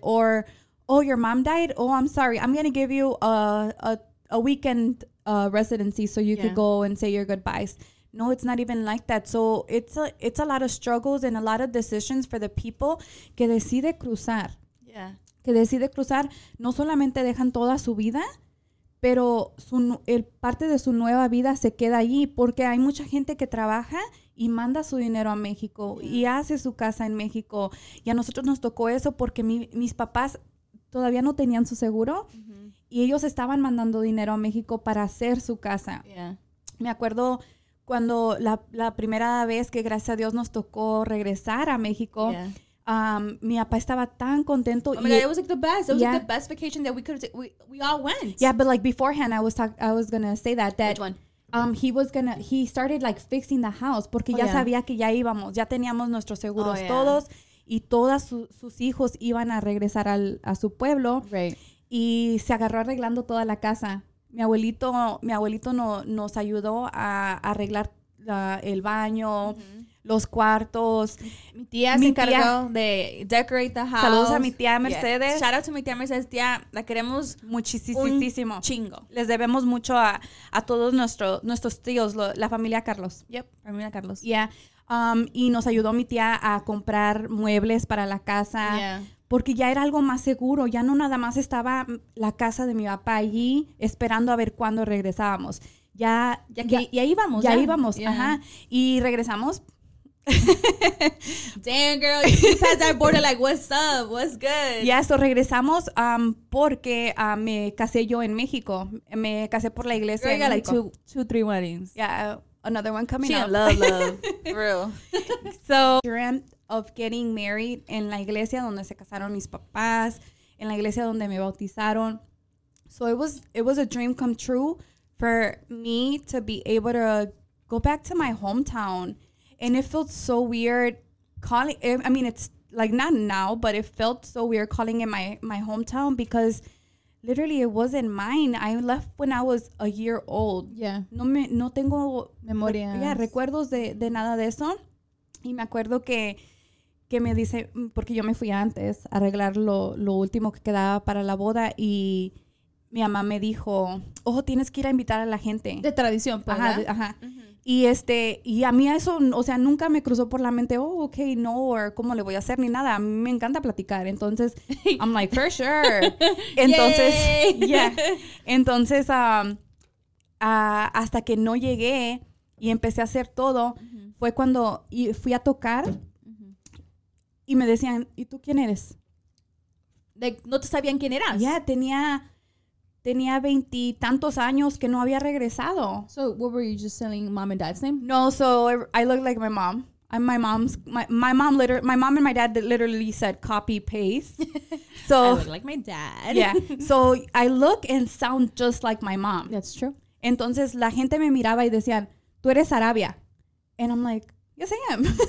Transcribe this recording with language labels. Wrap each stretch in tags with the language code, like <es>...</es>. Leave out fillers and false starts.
<en>Or, oh, your mom died? Oh, I'm sorry. I'm going to give you a weekend residency so you could go and say your goodbyes. No, it's not even like that. So it's a lot of struggles and a lot of decisions for the people</en> <es>que decide cruzar.</es> <en>Yeah.</en> <es>Que decide cruzar. No solamente dejan toda su vida, pero el parte de su nueva vida se queda allí porque hay mucha gente que trabaja y manda su dinero a México y hace su casa en México. Y a nosotros nos tocó eso porque mis papás todavía no tenían su seguro y ellos estaban mandando dinero a México para hacer su casa.</es> <en>Yeah.</en> <es>Me acuerdo cuando la primera vez que gracias a Dios nos tocó regresar a México.</es> <en>Yeah.</en> <es>Mi papá estaba tan contento.</es> <en>Oh my God, it was like the best. It was like the best vacation that we could. We all went. Yeah, but like beforehand, I was gonna say that. Which one? He started like fixing the house</en> <es>porque ya sabía que ya íbamos, ya teníamos nuestros seguros todos y todas sus hijos iban a regresar a su pueblo.</es> <en>Right.</en> <es>Y se agarró arreglando toda la casa. Mi abuelito nos ayudó a arreglar el baño. Mm-hmm. Los cuartos. Mi tía se encargó de</es> <en>decorate the house.</en> <es>Saludos a mi tía Mercedes.</es> <en>Yeah. Shout out to</en> <es>mi tía Mercedes. Tía, la queremos muchísimo. Un chingo. Les debemos mucho a todos nuestros tíos, la familia Carlos.</es> <en>Yep.</en> <es>Familia Carlos.</es> <en>Yeah.</en> <es>Y nos ayudó mi tía a comprar muebles para la casa.</es> <en>Yeah.</en> <es>Porque ya era algo más seguro. Ya no nada más estaba la casa de mi papá allí esperando a ver cuándo regresábamos. Ya íbamos.</es> <en>Yeah.</en> <es>Ajá. Y regresamos.</es> <en>Damn girl, you passed that border like what's up, what's good. Yeah, so</en> <es>regresamos porque me casé yo en México. Me casé por la iglesia.</es> <en>Girl, you got like two, three weddings. Yeah, another one coming up. Love, for real. So dreamt of getting married</en> <es>en la iglesia donde se casaron mis papás, en la iglesia donde me bautizaron.</es> <en>So it was a dream come true for me to be able to go back to my hometown. And it felt so weird calling it. I mean, it's like not now, but it felt so weird calling it my hometown because literally it wasn't mine. I left when I was a year old. Yeah.</en> <es>No tengo memoria.</es> <en>Yeah,</en> <es>recuerdos de nada de eso. Y me acuerdo que me dice, porque yo me fui antes a arreglar lo último que quedaba para la boda y mi mamá me dijo, ojo, tienes que ir a invitar a la gente. De tradición, pues, ajá, ¿verdad? Ajá. Uh-huh. Y a mí eso, o sea, nunca me cruzó por la mente, oh, okay, no, o cómo le voy a hacer, ni nada. A mí me encanta platicar. Entonces,</es> <en>I'm like, for sure.</en> <es>Entonces, Entonces, hasta que no llegué y empecé a hacer todo, fue cuando fui a tocar y me decían, ¿y tú quién eres? Like, no te sabían quién eras. Ya, tenía veintitantos años que no había regresado.</es> <en>So, what were you just telling mom and dad's name? No, so I look like my mom. I'm my mom's. My mom and my dad literally said copy paste. So I look like my dad. Yeah. So I look and sound just like my mom. That's true.</en> <es>Entonces la gente me miraba y decían, "Tú eres Arabia,"</es> <en>and I'm like, "Yes, I am."</en>